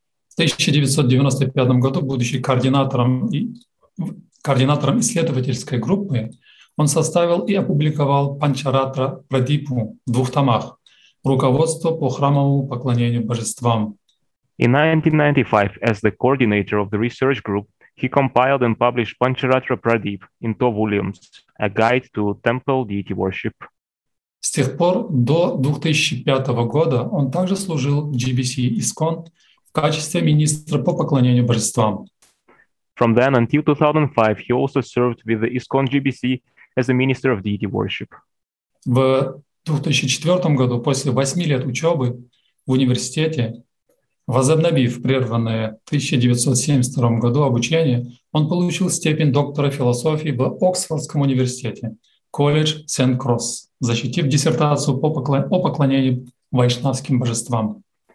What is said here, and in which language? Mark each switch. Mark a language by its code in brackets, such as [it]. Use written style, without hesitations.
[ru] В 1995 году, будучи координатором исследовательской группы, он составил и опубликовал Панчаратра Прадипу в двух томах «Руководство по храмовому поклонению божествам». [en] In 1995, as the coordinator of the research group, he compiled and published Pancharatra Pradip in two volumes, a guide to temple deity worship. [ru] С тех пор до 2005 года он также служил в GBC ISKCON в качестве министра по поклонению божествам. [en] From then until 2005, he also served with the ISKCON GBC as a minister of deity worship. [ru] В 2004 году, после 8 лет учебы в университете, возобновив прерванное в 1972 году обучение, он получил степень доктора философии в Оксфордском университете, колледж Сент-Кросс, защитив диссертацию о поклонении вайшнавским божествам.